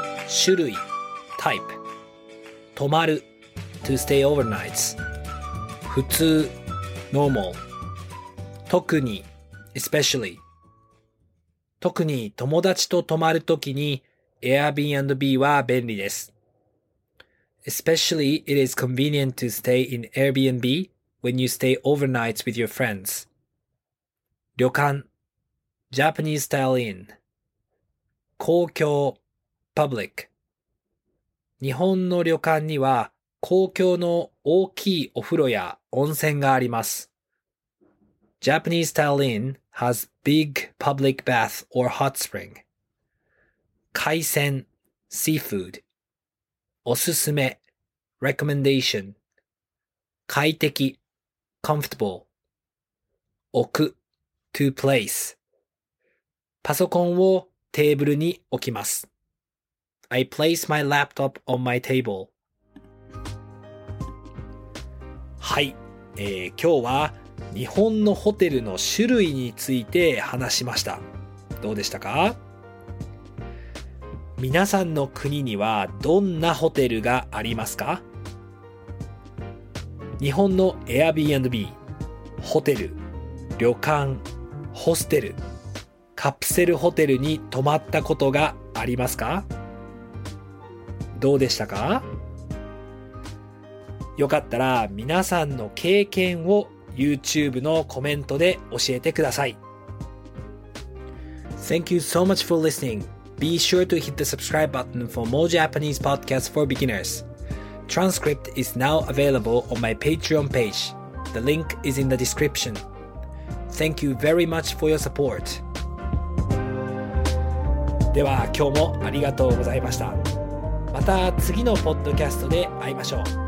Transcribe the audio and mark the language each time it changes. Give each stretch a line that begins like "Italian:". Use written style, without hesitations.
Japanese: 種類 type 泊まる
English: to stay overnight
Japanese: 普通 normal 特に especially 特に友達と泊まるときに Airbnb は便利です。
English: Especially it is convenient to stay in Airbnb when you stay overnight with your friends.
Japanese: 旅館
English: Japanese style inn
Japanese: 公共 public 日本の旅館には公共の大きいお風呂や温泉があります。
English: Japanese style inn has big public bath or hot spring.
Japanese: 海鮮 seafood おすすめ recommendation 快適 comfortable 置く
English: to place
Japanese: パソコンをテーブルに置きます。
English: I place my laptop on my table.
Japanese: はい、今日は日本のホテルの種類について話しました。どうでしたか？皆さんの国にはどんなホテルがありますか？日本の Airbnb、ホテル、旅館、ホステル、カプセルホテルに泊まったことがありますか？どうでしたか？よかったら皆さんの経験を YouTube のコメントで教えてください。
English: Thank you so much for listening. Be sure to hit the subscribe button for more Japanese podcasts for beginners. Transcript is now available on my Patreon page. The link is in the description. Thank you very much for your support.
Japanese: では今日もありがとうございました。また次のポッドキャストで会いましょう。